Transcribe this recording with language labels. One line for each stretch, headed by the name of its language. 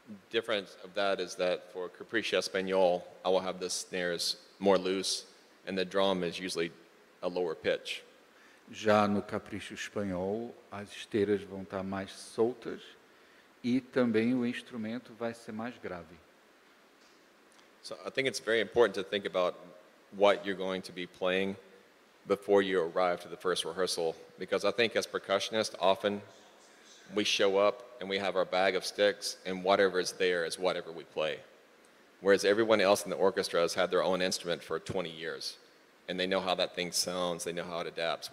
English: Difference of that is that for Capriccio Espanol, I will have the snares more loose, and the drum is usually a lower pitch.
Portuguese: Já no Capriccio Espanol, as esteiras vão estar mais soltas, e também o instrumento vai ser mais grave.
English: So I think it's very important to think about what you're going to be playing before you arrive to the first rehearsal, because I think as percussionists, often we show up and we have our bag of sticks and whatever is there is whatever we play. Whereas everyone else in the orchestra has had their own instrument for 20 years and they know how that thing sounds, they know how it adapts.